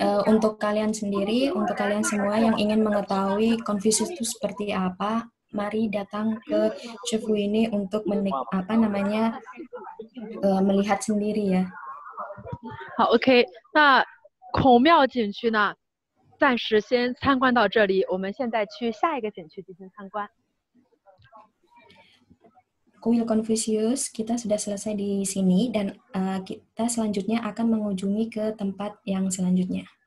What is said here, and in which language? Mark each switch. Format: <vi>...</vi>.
<id>Untuk kalian sendiri, untuk kalian semua yang ingin mengetahui Konfusius itu seperti apa, mari datang ke Cefu ini untuk melihat sendiri ya.</id> <zh>好 ，OK， 那孔庙景区呢，暂时先参观到这里，我们现在去下一个景区进行参观。</zh> <id>Kuil Konfusius kita sudah selesai di sini dan kita selanjutnya akan mengunjungi ke tempat yang selanjutnya.</id>